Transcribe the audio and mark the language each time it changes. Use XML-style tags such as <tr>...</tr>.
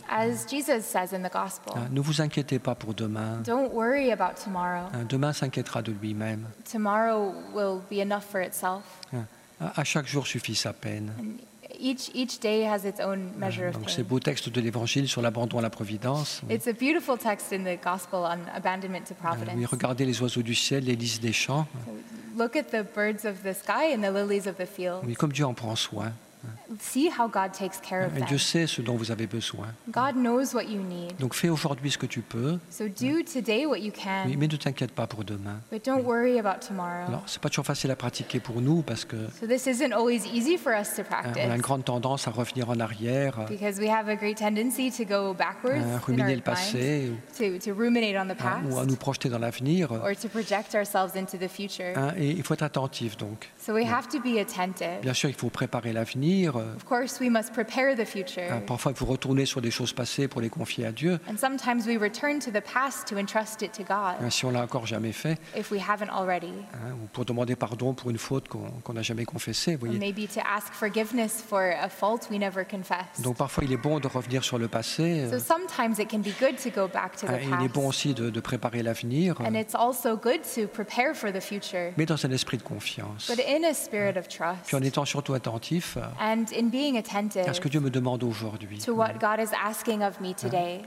<en>As Jesus says in the gospel.</en> <fr>Ne vous inquiétez pas pour demain.</fr> <en>Don't worry about tomorrow.</en> <fr>Demain s'inquiétera de lui-même.</fr> <en>Tomorrow will be enough for itself.</en> <fr>À chaque jour suffit sa peine.</fr> <en>Each day has its own measure of pain.</en> <fr>Donc ces beaux textes de l'Évangile sur l'abandon à la providence.</fr> <en>It's a beautiful text in the gospel on abandonment to providence.</en> <fr>Regardez les oiseaux du ciel, les lys des champs.</fr> <en>look at the birds of the sky and the lilies of the field.</en> <fr>Oui, comme Dieu en prend soin.</fr> <en>See how God takes care of them.</en> <fr>Dieu sait ce dont vous avez besoin.</fr> <en>God knows what you need.</en> <fr>Donc fais aujourd'hui ce que tu peux.</fr> <en>So do today what you can.</en> <fr>Oui, mais ne t'inquiète pas pour demain.</fr> <en>But don't worry about tomorrow.</en> <fr>Non, c'est pas toujours facile à pratiquer pour nous parce que.</fr> <en>So this isn't always easy for us to practice.</en> <fr>On a une grande tendance à revenir en arrière.</fr> <en>Because we have a great tendency to go backwards.</en> <fr>Ruminer le passé.</fr> <en>To ruminate on the past.</en> <fr>Ou à nous projeter dans l'avenir.</fr> <en>Or to project ourselves into the future.</en> <fr>Et il faut être attentif donc.</fr> <en>So we have to be attentive.</en> <fr>Bien sûr, il faut préparer l'avenir.</fr> <en>Of course, we must prepare the future.</en> <fr>Parfois, vous retournez sur des choses passées pour les confier à Dieu.</fr> <en>And sometimes we return to the past to entrust it to God.</en> <fr>Si on l'a encore jamais fait.</fr> <en>If we haven't already.</en> <fr>Ou pour demander pardon pour une faute qu'on n'a jamais confessée. Vous voyez.</fr> <en>Maybe to ask forgiveness for a fault we never confessed.</en> <fr>Donc parfois, il est bon de revenir sur le passé.</fr> <en>So sometimes it can be good to go back to the past.</en> <fr>Il est bon aussi de préparer l'avenir.</fr> <en>And it's also good to prepare for the future.</en> <fr>Mais dans un esprit de confiance.</fr> <en>But in a spirit of trust.</en> <fr>Puis en étant surtout attentif.</fr> <en>And in being attentive,</en> <fr>ce que Dieu me demande aujourd'hui,</fr> <en>to what God is asking of me today.</en>